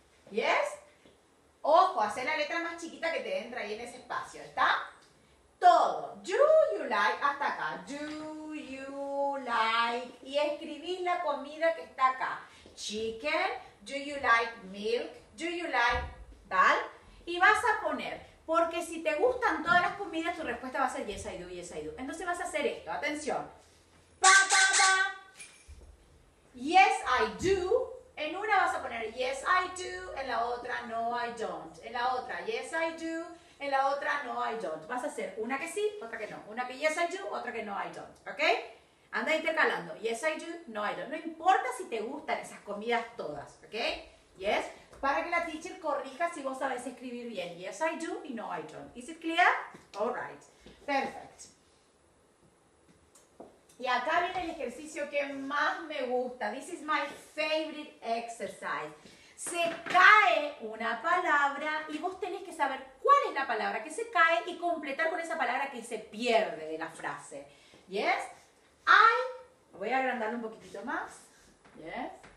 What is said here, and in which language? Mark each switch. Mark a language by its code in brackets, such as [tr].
[en] Yes? [es] Ojo, hacer la letra más chiquita que te entra ahí en ese espacio, ¿está? Todo. [en] Do you like, [es] hasta acá. Do you like, y escribís la comida que está acá. [en] Chicken, do you like milk, do you like, [es] tal. Y vas a poner, porque si te gustan todas las comidas, tu respuesta va a ser [en] yes, I do, yes, I do. [es] Entonces vas a hacer esto, atención. Pa, pa, pa. [en] Yes, I do. [es] En una vas a poner [en] yes, I do. [es] En la otra, [en] no, I don't. [es] En la otra, [en] yes, I do. [es] En la otra, [en] no, I don't. [es] Vas a hacer una que sí, otra que no. Una que [en] yes, I do, [es] otra que no, I don't. ¿Ok? Anda intercalando. [en] Yes, I do, no, I don't. [es] No importa si te gustan esas comidas todas. ¿Ok? Yes. Para que la teacher corrija si vos sabes escribir bien. [en] Yes, I do [es] y [en] no, I don't. Is it clear? All right. Perfect. [es] Y acá viene el ejercicio que más me gusta. [en] This is my favorite exercise. [es] Se cae una palabra y vos tenés que saber cuál es la palabra que se cae y completar con esa palabra que se pierde de la frase. [en] Yes? [es] I, voy a agrandarlo un poquitito más. [en] Yes?